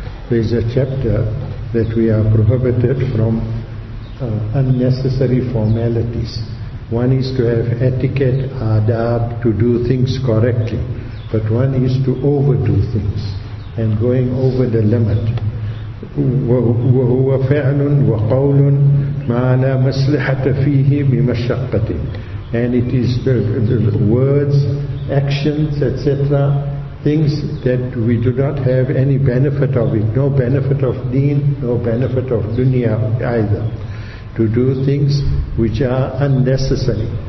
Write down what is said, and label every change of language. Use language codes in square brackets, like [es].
[en] There is a chapter that we are prohibited from unnecessary formalities. One is to have etiquette, adab, to do things correctly, but one is to overdo things and going over the limit. [ar] وهو فعل وقول ما لا مصلحة فيه بمشقة. [en] And it is the words, actions, etc., things that we do not have any benefit of it, no benefit of deen, no benefit of dunya either, to do things which are unnecessary.